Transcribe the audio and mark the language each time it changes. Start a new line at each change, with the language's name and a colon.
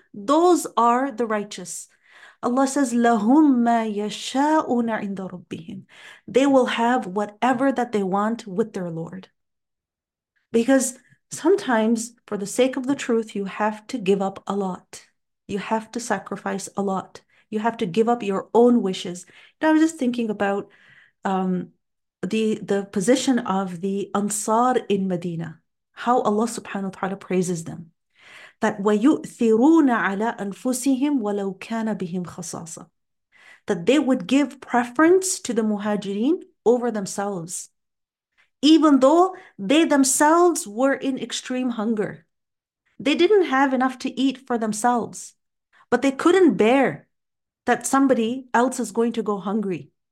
English: Those are the righteous. Allah says,
Arabic: لَهُمْ مَا يَشَاءُونَ عِنْدَ رَبِّهِمْ.
English: They will have whatever that they want with their Lord. Because sometimes, for the sake of the truth, you have to give up a lot. You have to sacrifice a lot. You have to give up your own wishes. Now, I was just thinking about the position of the Ansar in Medina, how Allah subhanahu wa ta'ala praises them. That
Arabic: وَيُؤْثِرُونَ عَلَىٰ أَنفُسِهِمْ وَلَوْ كَانَ بِهِمْ خَصَاصًا.
English: That they would give preference to the muhajirin over themselves, even though they themselves were in extreme hunger. They didn't have enough to eat for themselves, but they couldn't bear that somebody else is going to go hungry.